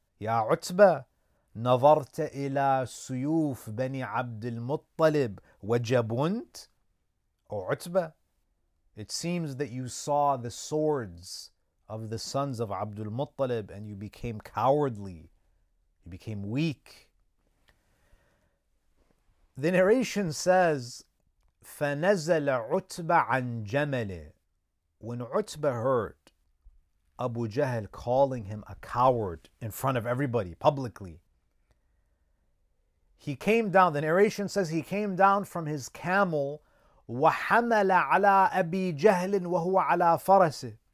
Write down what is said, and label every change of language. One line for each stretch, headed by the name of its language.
Arabic: Ya Utbah, nazarta ila suyuf bani Abd al-Muttalib wajabunt.
English: Oh Utbah, it seems that you saw the swords of the sons of Abd al-Muttalib and you became cowardly. You became weak." The narration says,
Arabic: فَنَزَلَ عُتْبَ عَنْ جَمَلِ.
English: When Utbah heard Abu Jahl calling him a coward in front of everybody publicly, he came down. The narration says he came down from his camel,
Arabic: وَحَمَلَ عَلَىٰ أَبِي جَهْلٍ وَهُوَ عَلَىٰ فَرَسِ.